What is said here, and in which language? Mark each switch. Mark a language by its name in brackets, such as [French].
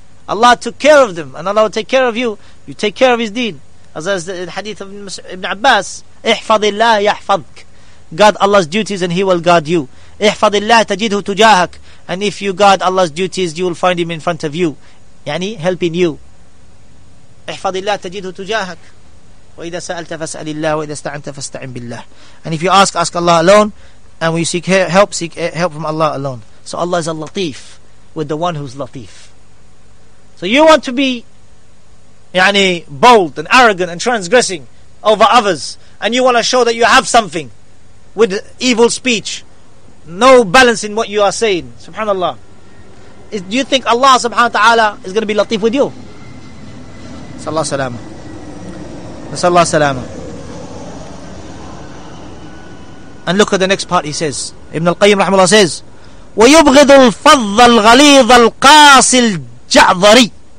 [English] Allah took care of them, and Allah will take care of you. You take care of his deen. As the hadith of Ibn Abbas, [Arabic] احفظ الله يحفظك. [English] Guard Allah's duties and he will guard you. [Arabic] احفظ الله تجده تجاهك. [English] And if you guard Allah's duties, you will find him in front of you. يعني helping you. [Arabic] احفظ الله تجده تجاهك. وإذا سألت فاسأل الله وإذا استعنت فاستعن بالله. [English] And if you ask, ask Allah alone. And when you seek help from Allah alone. So Allah is a Latif with the one who's Latif. So you want to be يعني bold and arrogant and transgressing over others, and you want to show that you have something with evil speech, no balance in what you are saying, subhanallah. Do you think Allah subhanahu wa ta'ala is going to be latif with you? Sallallahu salama. Sallallahu salama. And look at the next part he says. Ibn al-Qayyim rahimahullah says, [Arabic] وَيُبْغِضُ الْفَضَّ الْغَلِيظَ الْقَاسِ الْجَعْضَرِي.